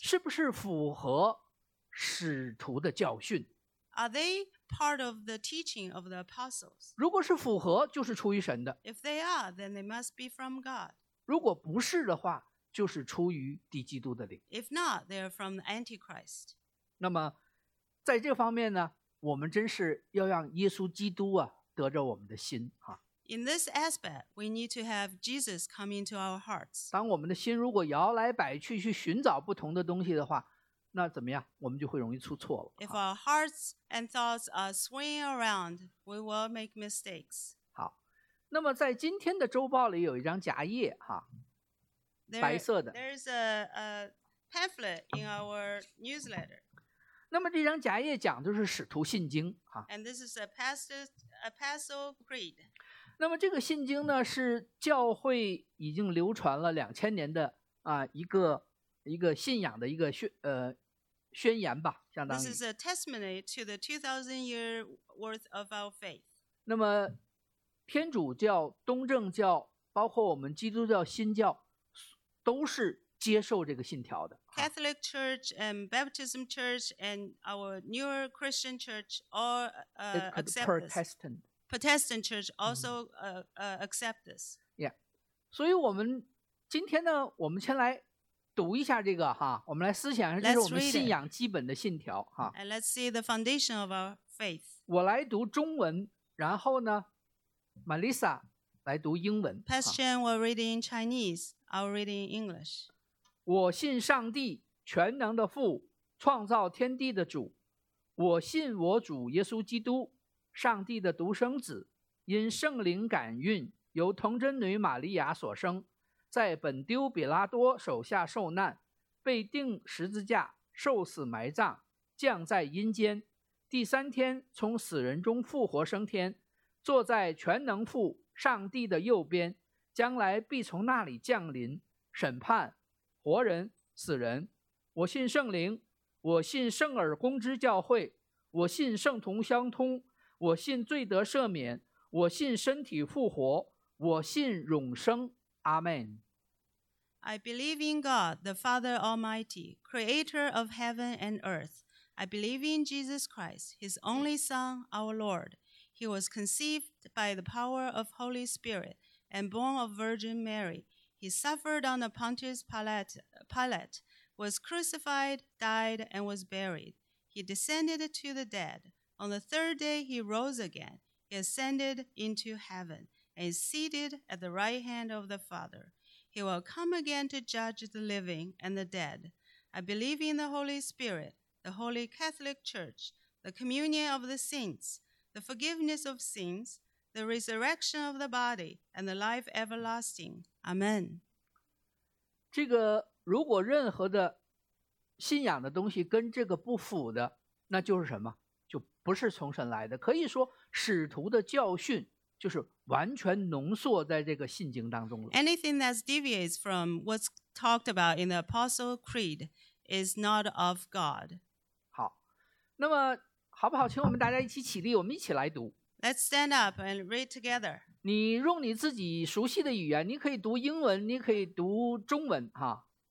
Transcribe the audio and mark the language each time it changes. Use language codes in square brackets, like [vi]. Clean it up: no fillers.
[zh] 是不是符合使徒的教训 [en] ？Are they part of the teaching of the apostles? [zh] 如果是符合，就是出于神的。 [en] If they are, then they must be from God. [zh] 如果不是的话，就是出于敌基督的灵。 [en] If not, they are from the Antichrist. [zh] 那么，在这方面呢，我们真是要让耶稣基督啊。得着我们的心哈。 [en] In this aspect, we need to have Jesus come into our hearts. [zh] 当我们的心如果摇来摆去去寻找不同的东西的话，那怎么样？我们就会容易出错了。 [en] If our hearts and thoughts are swinging around, we will make mistakes. [zh] 好，那么在今天的周报里有一张夹页哈，白色的。 [en] There is a pamphlet in our newsletter. [zh] 那么这张夹页讲的是使徒信经哈。 And this is a pastor's Apostle Creed. 那么这个信经呢，是教会已经流传了2000年的啊一个信仰的一个宣言吧，相当于。 [en] This is a testimony to the 2000 year worth of our faith. [zh] 那么天主教、东正教，包括我们基督教、新教，都是接受这个信条的。 [en] Catholic Church and Baptism Church and our newer Christian Church all accept this. Protestant Church also accept this. Yeah. [zh] 所以我们今天呢，我们先来读一下这个哈，我们来思想一下，这是我们信仰基本的信条哈。 [en] And let's see the foundation of our faith. [zh] 我来读中文，然后呢 ，Melissa 来读英文。 [en] Pastor Chen will read in Chinese. I'll read in English. [zh] 我信上帝，全能的父，创造天地的主。我信我主耶稣基督，上帝的独生子，因圣灵感孕，由童贞女玛利亚所生。在本丢比拉多手下受难，被钉十字架，受死埋葬，降在阴间，第三天从死人中复活升天，坐在全能父上帝的右边，将来必从那里降临审判活人死人。我信圣灵，我信圣尔公之教会，我信圣同相通，我信罪得赦免，我信身体复活，我信永生。 [en] Amen. I believe in God, the Father Almighty, Creator of heaven and earth. I believe in Jesus Christ, His only Son, our Lord. He was conceived by the power of Holy Spirit and born of Virgin Mary. He suffered on the Pontius Pilate, was crucified, died, and was buried. He descended to the dead. On the third day, He rose again. He ascended into heaven. And seated at the right hand of the Father. He will come again to judge the living and the dead. I believe in the Holy Spirit, the Holy Catholic Church, the communion of the saints, the forgiveness of sins, the resurrection of the body, and the life everlasting. Amen. [zh] 这个如果任何的信仰的东西跟这个不符的，那就是什么？就不是从神来的。可以说使徒的教训就是完全浓缩在这个信经当中了。 [en] Anything that deviates from what's talked about in the Apostle Creed is not of God. [zh] 好，那么好不好？请我们大家一起起立，我们一起来读。 [en] Let's stand up and read together. [zh] 你用你自己熟悉的语言，你可以读英文，你可以读中文，哈。